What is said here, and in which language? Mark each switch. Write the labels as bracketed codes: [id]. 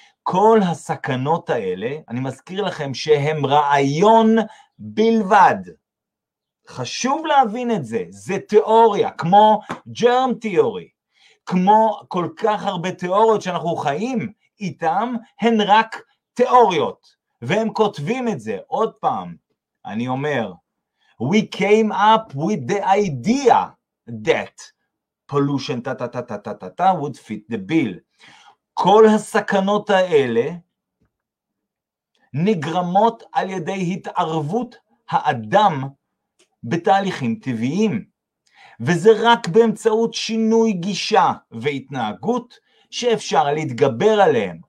[he] כל הסכנות האלה, אני מזכיר לכם שהם רעיון בלבד. חשוב להבין את זה, זה תיאוריה, כמו germ theory, כמו כל כך הרבה תיאוריות שאנחנו חיים איתם, הן רק תיאוריות, והם כותבים את זה. עוד פעם, אני אומר, [en] we came up with the idea that pollution ta ta ta ta ta ta would fit the bill. [he] כל הסכנות האלה נגרמות על ידי התערבות האדם בתהליכים טבעיים, וזה רק באמצעות שינוי גישה והתנהגות שאפשר להתגבר עליהם.